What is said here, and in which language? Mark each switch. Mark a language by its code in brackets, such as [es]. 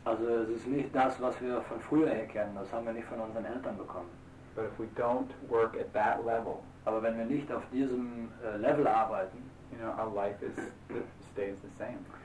[de] Also es ist nicht das, was wir von früher her kennen. Das haben wir nicht von unseren Eltern bekommen. [en] But if we don't work at that level, [de] aber wenn wir nicht auf diesem Level arbeiten, [en] you know, our life is stays the same.